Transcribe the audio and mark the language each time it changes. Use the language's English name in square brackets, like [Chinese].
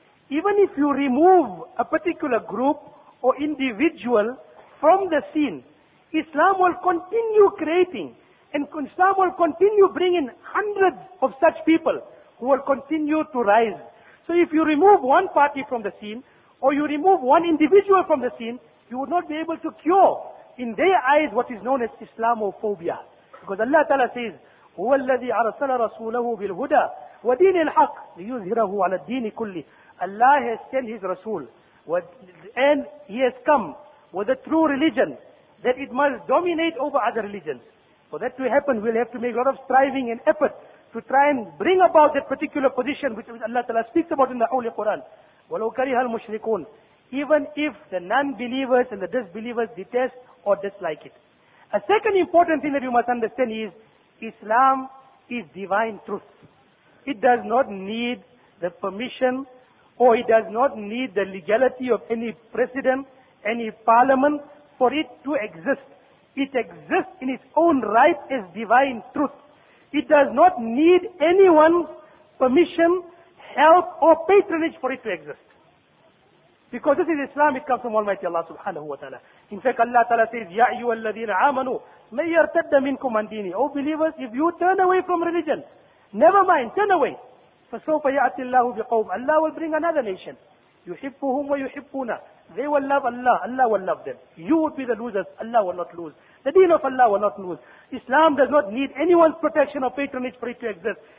[English] Even if you remove a particular group or individual from the scene, Islam will continue creating, and Islam will continue bringing hundreds of such people who will continue to rise. So if you remove one party from the scene, or you remove one individual from the scene, you would not be able to cure, in their eyes, what is known as Islamophobia. Because Allah Ta'ala says, [Arabic] هُوَ الَّذِي أَرْسَلَ رَسُولَهُ بِالْهُدَى وَدِينِ الْحَقِّ لِيُظْهِرَهُ عَلَى الدِّينِ كُلِّ. [English] Allah has sent His Rasul, and He has come with a true religion, that it must dominate over other religions. For that to happen, we'll have to make a lot of striving and effort to try and bring about that particular position which Allah Ta'ala speaks about in the Holy Quran. [Arabic] وَلَوْ كَرِهَ الْمُشْرِكُونَ. [English] Even if the non-believers and the disbelievers detest or dislike it. A second important thing that you must understand is, Islam is divine truth. It does not need the permission, or it does not need the legality of any president, any parliament, for it to exist. It exists in its own right as divine truth. It does not need anyone's permission, help, or patronage for it to exist. Because this is Islam, it comes from Almighty Allah subhanahu wa ta'ala. In fact, Allah ta'ala says, [Arabic] يَا أَيُّوَ الَّذِينَ عَامَنُوا مَنْ يَرْتَدَّ مِنْكُمْ عَنْ دِينِي. [English] Oh believers, if you turn away from religion, never mind, turn away. [Arabic] فَسَوْفَ يَأْتِ اللَّهُ بِقَوْمٍ. [English] Allah will bring another nation. [Arabic] يُحِبُّهُمْ وَيُحِبُّونَ. [English] They will love Allah. Allah will love them. You will be the losers. Allah will not lose. The deen of Allah will not lose. Islam does not need anyone's protection or patronage for it to exist.